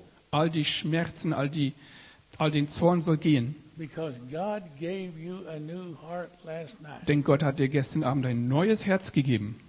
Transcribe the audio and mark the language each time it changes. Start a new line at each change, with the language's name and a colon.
German: All die Schmerzen, all den Zorn soll gehen.
English: Because God gave you a new heart last night.
German: Denn Gott hat dir gestern Abend ein neues Herz gegeben.